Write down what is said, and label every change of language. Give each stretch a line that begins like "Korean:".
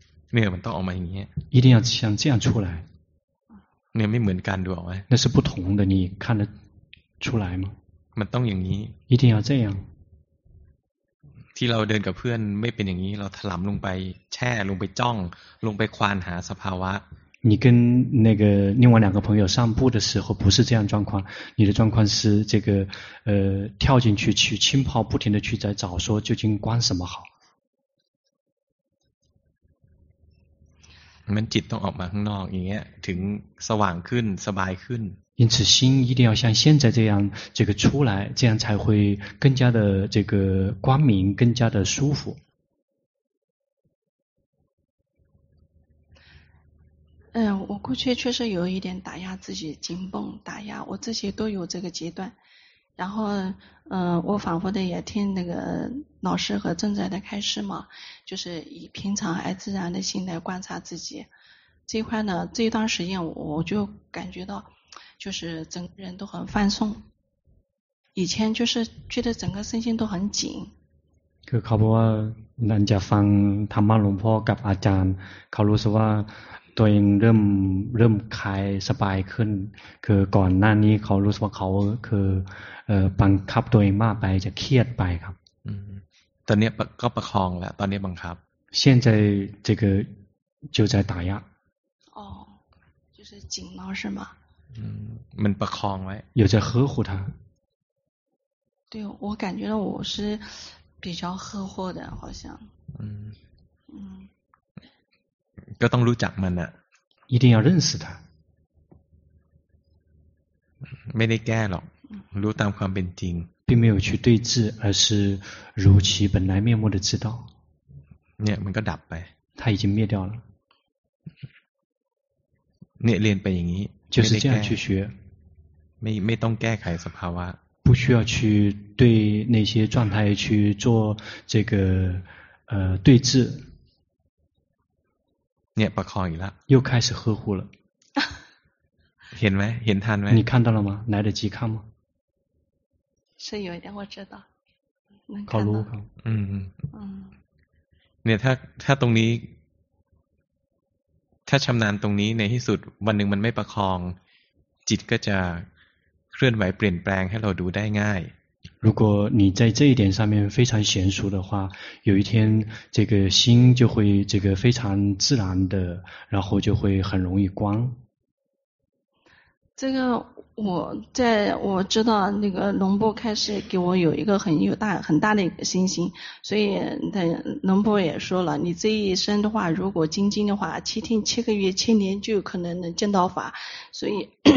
Chinese: 没有到我们应该一定要像这样出来你没门干的哎那是不同的你看得出来吗
Thai: มันต้องอย่างนี้
Chinese: 一定要这样
Thai: ที่เราเดินกับเพื่อนไม่เป็นอย่างนี้เราถลำลงไปแช่ลงไปจ้องลงไปควานหาสภาวะ
Chinese: 你跟那个另外两个朋友散步的时候不是这样状况你的状况是这个跳进去去浸泡不停的去在找说究竟观什么好
Thai: มันจิตต้องออกมาข้างนอกอย่างเงี้ยถึงสว่างขึ้นสบายขึ้น
Chinese: 因此心一定要像现在这样这个出来这样才会更加的这个光明更加的舒服我过去确实有一点打压自己紧绷打压我这些都有这个阶段然后我仿佛的也听那个老师和正在的开示嘛就是以平常而自然的心来观察自己这一块呢这一段时间我就感觉到就是整个人都很放松以前就是觉得整个身心都很紧
Thai: คือเขาบอกว่าหลังจากฟังธรรมะหลวงพ่อกับอาจารย์เขารู้สึกว่าตัวเองเริ่มคลายสบายขึ้นคือก่อนหน้านี้เขารู้สึกว่าเขาคือบังคับตัวเองมากไปจะเครียดไปครับ ตอนนี้ก็ประคองแล้วตอนนี้บังคับ
Chinese: 现在这个就在打压哦就是紧了是吗
Thai: มันประคองไว้
Chinese: 有在呵护他对我感觉到我是比较呵护的好像
Thai: ก็ต้องรู้จักมันอ่ะ
Chinese: 一定要认识它
Thai: ไม่ได้แก้หรอกรู้ตามความเป็นจริง
Chinese: 并没有去对治而是如其本来面目的知道
Thai: เนี่ยมันก็ดับไป
Chinese: 它已经灭掉了
Thai: เนี่ยเรียนไปอย่างนี้
Chinese: 就是这样去学
Thai: ไม่ต้องแก้ไขสภาวะ
Chinese: 不需要去对那些状态去做这个对治
Thai: เนี่ยประคองอีกแล้ ว
Chinese: 又开始呵护了
Thai: เห็นไหมเห็นทันไหม
Chinese: 你看到了吗来得及看吗是有一点我知道能看到
Thai: เขารู้ครับ เนี่ยถ้าตรงนี้ถ้าชำนาญตรงนี้ในที่สุดวันหนึ่งมันไม่ประคองจิตก็จะเคลื่อนไหวเปลี่ยนแปลงให้เราดูได้ง่าย
Chinese: 如果你在这一点上面非常娴熟的话有一天这个心就会这个非常自然的然后就会很容易光这个我在我知道那个龙波开始给我有一个很大的一个信心所以龙波也说了你这一生的话如果精进的话七天七个月七年就有可能能见到法所以